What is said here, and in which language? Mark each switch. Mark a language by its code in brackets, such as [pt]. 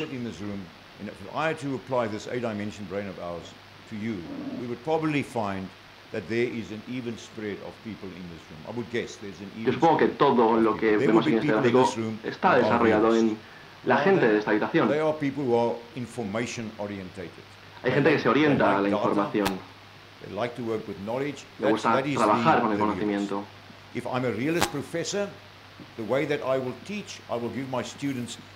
[en] In this room, and if I had to apply this eight-dimensional brain of ours to you, we would probably find that there is an even spread of people in this room. I would guess there's an even. [es] Yo supongo que todo lo que vemos en este gráfico está desarrollado en la gente de esta habitación. [en] They are people who are information orientated. [es] Hay gente que se orienta a la información. [en] They like to work with knowledge. [es] Le gusta trabajar con el conocimiento. [en] If I'm a realist professor, the way that I will teach, I will give my students